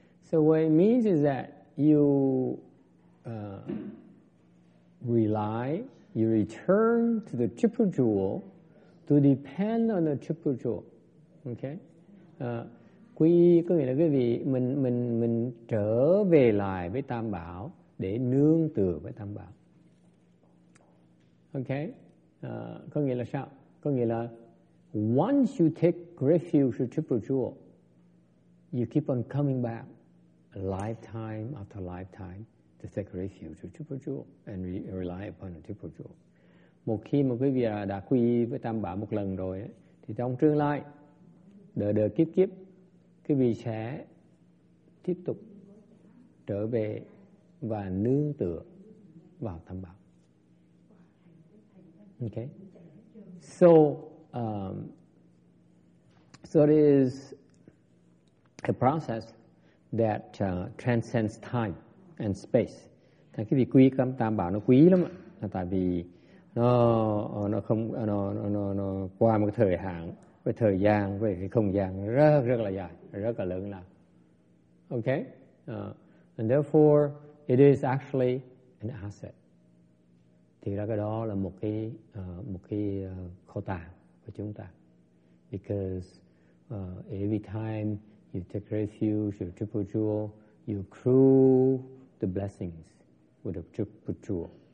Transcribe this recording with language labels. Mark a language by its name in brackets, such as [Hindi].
[English] So what it means is that you rely, you return to the triple jewel. To depend on the triple jewel, okay? [Vietnamese] Quy có nghĩa là quý vị mình trở về lại với tam bảo để nương tựa với tam bảo, okay? Có nghĩa là sao? Có nghĩa là [English] once you take refuge to triple jewel, you keep on coming back lifetime after lifetime to take refuge to triple jewel and rely upon the triple jewel. [Vietnamese] Một khi mà quý vị đã quy y với Tam Bảo một lần rồi ấy, thì trong tương lai đời đời kiếp kiếp quý vị sẽ tiếp tục trở về và nương tựa vào Tam Bảo. [English] Okay. So so it is a process that transcends time and space. [Vietnamese] Thì quý vị quy y Tam Bảo nó quý lắm ạ, tại vì nó qua một cái thời hạn với thời gian với cái không gian rất rất là dài, rất là lớn nào. [English] Okay, and therefore it is actually an asset. [Vietnamese] Thì ra cái đó là một cái kho tàng của chúng ta, [English] because every time you take refuge with triple jewel, you accrue the blessings with the triple jewel.